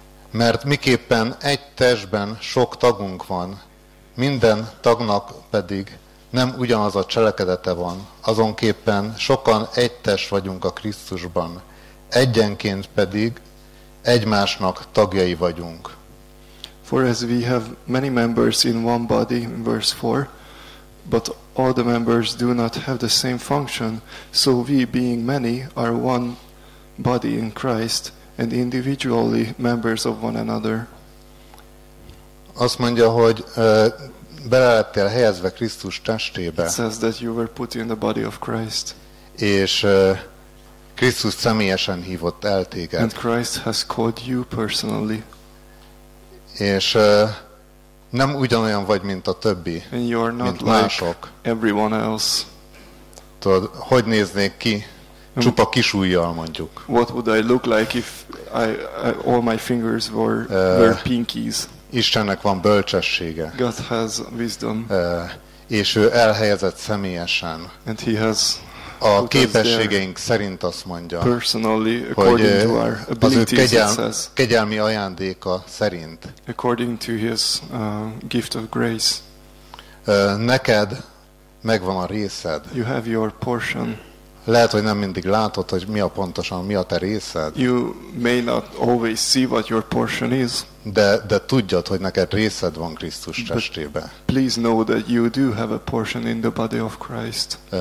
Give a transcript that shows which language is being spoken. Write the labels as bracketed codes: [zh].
[hu] Mert miképpen egy testben sok tagunk van, minden tagnak pedig nem ugyanaz a cselekedete van, azonképpen sokan egy test vagyunk a Krisztusban, egyenként pedig egymásnak tagjai vagyunk. [en] For as we have many members in one body, in verse 4, but all the members do not have the same function, so we, being many, are one body in Christ, and individually members of one another. [hu] Azt mondja, hogy bele lettél helyezve Krisztus testébe. [en] It says that you were put in the body of Christ. [hu] És Krisztus személyesen hívott el téged. [en] And Christ has called you personally. [hu] És nem ugyanolyan vagy, mint a többi, [en] and you are not [hu] mint [en] like [hu] mások. [en] Everyone else. [hu] Tudod, hogy néznék ki? Csupa kis ujjal, mondjuk. [en] What would I look like if I all my fingers were pinkies? [hu] Istennek van bölcsessége. [en] God has wisdom. [hu] És ő elhelyezett személyesen. [en] And he has [hu] a képességeink szerint azt mondja, [en] personally, according [hu] hogy [en] to our abilities, [hu] az ő kegyelmi ajándéka szerint. [en] According to his gift of grace. [hu] Neked megvan a részed. [en] You have your portion. [hu] Lehet, hogy nem mindig látod, hogy mi a pontosan, mi a te részed. [en] You may not always see what your portion is. [hu] De tudjad, hogy neked részed van Krisztus testébe. [en] But please know that you do have a portion in the body of Christ.